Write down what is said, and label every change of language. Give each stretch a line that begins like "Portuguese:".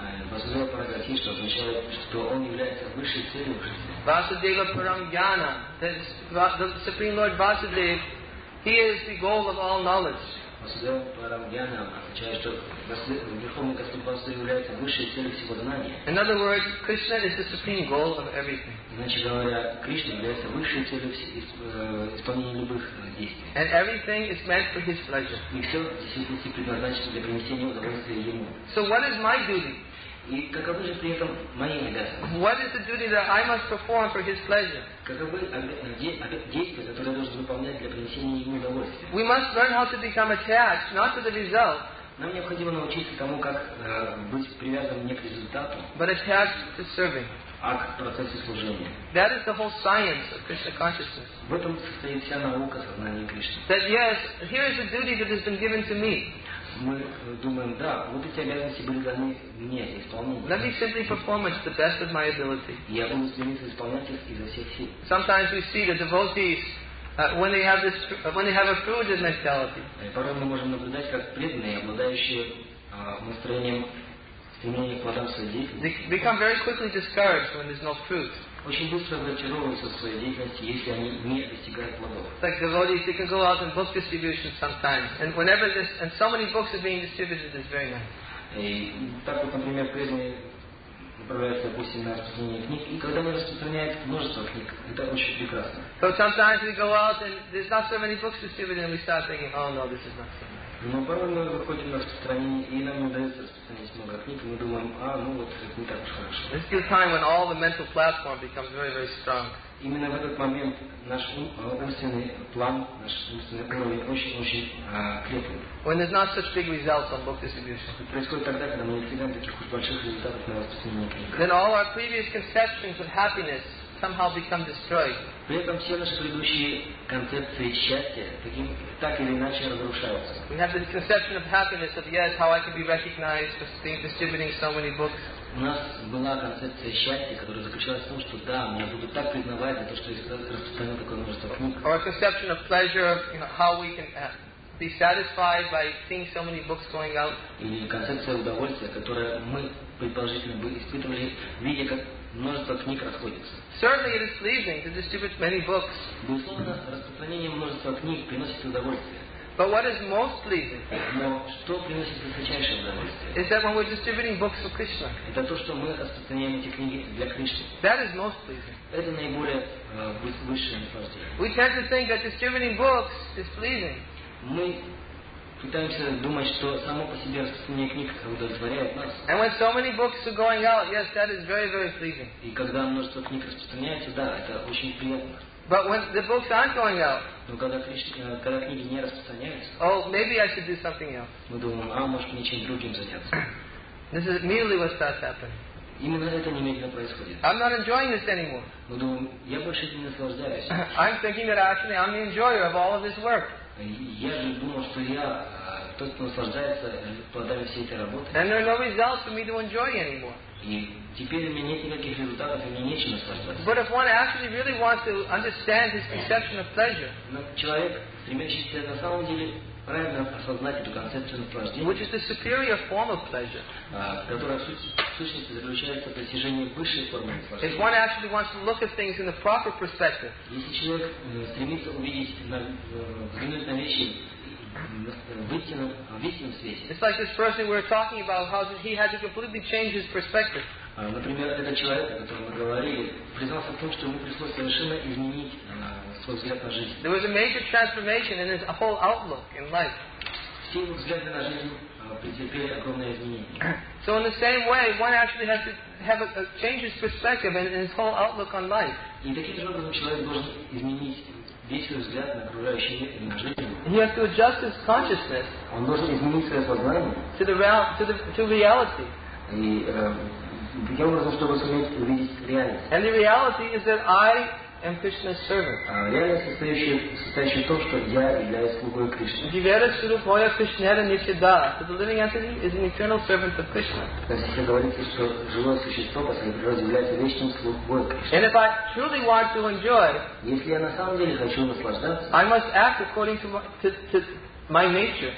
Russian: Васудева Парагати, что означает, что он является высшей целью в жизни.
English: Васудева Парамьяна, the Supreme Lord Vasudev, he is the goal of all knowledge.
Russian: Васудева Парамьяна означает, что Верховный Господь Васу является высшей целью всего знания.
English: In other words, Krishna is the supreme goal of everything.
Russian: Иначе говоря, Кришна является высшей целью исполнения любых действий.
English: And everything is meant for his pleasure.
Russian: И все в действительности предназначено для принесения удовольствия ему.
English: So what is my duty?
Russian: И каковы же при этом мои обязанности?
English: What is the duty that I must perform for his pleasure?
Russian: Каковы действия, которые должен выполнять для принесения ему удовольствия?
English: We must learn how to become attached, not to the result.
Russian: Нам необходимо научиться тому, как быть привязанным не к результату,
English: but attached to serving.
Russian: А к процессу служения.
English: That is the whole science of Krishna consciousness.
Russian: В этом состоит вся наука сознания Кришны.
English: That yes, here is a duty that has been given to me.
Russian: Мы думаем, да, вот эти обязанности были даны мне исполнить.
English: Let me simply perform it to the best of my ability.
Russian: Я буду стремиться исполнять их изо всех сил.
English: Sometimes we see the devotees when they have a prudent mentality.
Russian: Порой мы можем наблюдать, как преданные, обладающие настроением
English: They become very quickly discouraged when there's no fruit.
Russian: Очень быстро разочаровываются в своей деятельности, если они не достигают плодов.
English: Like devotees, they can go out and book distribution sometimes, and whenever this and so many books are being distributed, it's very nice.
Russian: Так вот, например, преданные направляются, допустим, на распространение книг, и когда мы распространяем множество книг, это очень прекрасно.
English: So sometimes we go out and there's not so many books distributed, and we start thinking, oh no, this is not so nice.
Russian: Но порой мы выходим на распространение, и нам не удается распространить много книг, и мы думаем, а, ну вот, это не так уж хорошо.
English: This is the time when all the mental platform becomes very, very strong.
Russian: Именно в этот момент наш умственный план, наш умственный уровень очень-очень крепкий.
English: When there's not such big results on book distribution.
Russian: Это происходит тогда, когда мы не достигаем таких уж больших результатов на распространении книг.
English: Then all our previous conceptions of happiness somehow become destroyed.
Russian: При этом все наши предыдущие концепции счастья так или иначе разрушаются.
English: We have this conception of happiness of yes, how I can be recognized for distributing so many books.
Russian: У нас была концепция счастья, которая заключалась в том, что да, меня будут так признавать за то, что я распространил такое множество книг.
English: Or a conception of pleasure, you know, how we can be satisfied by seeing so many books going out.
Russian: Или концепция удовольствия, которое мы предположительно бы испытывали, видя как множество книг расходится.
English: Certainly it is pleasing to distribute many books.
Russian: Безусловно, распространение множества книг приносит удовольствие.
English: But what is most pleasing?
Russian: Но что приносит высочайшее удовольствие?
English: Is that when we're distributing books for Krishna.
Russian: Это то, что мы распространяем эти книги для Кришны.
English: That is most pleasing.
Russian: Это наиболее высшее наслаждение.
English: We tend to think that distributing books is pleasing.
Russian: Мы пытаемся думать, что само по себе распространение книг удовлетворяет нас.
English: And when so many books are going out, yes, that is very, very pleasing.
Russian: И когда множество книг распространяется, да, это очень приятно.
English: But when the books aren't going out,
Russian: но когда книги не распространяются,
English: oh, maybe I should do something else.
Russian: Мы думаем, а может мне чем-то другим заняться.
English: This is immediately what starts happening.
Russian: Именно это немедленно происходит.
English: I'm not enjoying this anymore.
Russian: Мы думаем, я больше не наслаждаюсь.
English: I'm thinking that actually I'm the enjoyer of all of this work.
Russian: Я же думал, что я тот, кто наслаждается плодами всей этой работы.
English: And there are no results for me to enjoy anymore.
Russian: И теперь у меня нет никаких результатов, и мне нечем наслаждаться.
English: But if one actually really wants to understand his conception of pleasure,
Russian: но человек, стремящийся на самом деле правильно осознать эту концепцию наслаждения,
English: which is the superior form of pleasure,
Russian: которая в сущности заключается в достижении высшей формы наслаждения.
English: If one actually wants to look at things in the proper perspective,
Russian: если человек стремится взглянуть на вещи в истинном свете.
English: It's like this person we're talking about, how he had to completely change his perspective.
Russian: Например, этот человек, о котором мы говорили, признался в том, что ему пришлось совершенно изменить свой взгляд на жизнь.
English: There was a major transformation in his whole outlook in life.
Russian: Все его взгляды на жизнь претерпели огромные изменения.
English: So in the same way, one actually has to have a change his perspective and his whole outlook on life.
Russian: И таким же образом человек должен изменить весь свой взгляд на окружающий мир и на жизнь.
English: He has to adjust his consciousness to reality.
Russian: И, таким образом, чтобы суметь увидеть реальность.
English: And the reality is that I am Krishna's servant. My nature.